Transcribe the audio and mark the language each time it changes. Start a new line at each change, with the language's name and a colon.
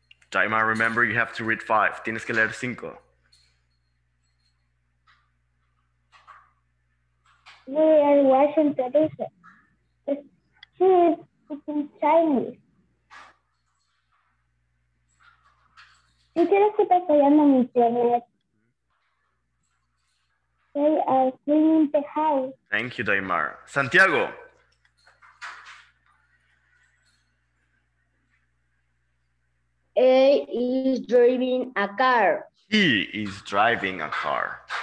English: Daymar, remember you have to read five.
Spanish: Tienes que leer cinco.
English: We are washing the dishes. She is speaking Chinese.
Spanish: Yo quiero que estés fallando mi internet.
English: They are cleaning the house. Thank you, Daymar. Santiago. He is driving a car. He is driving a car.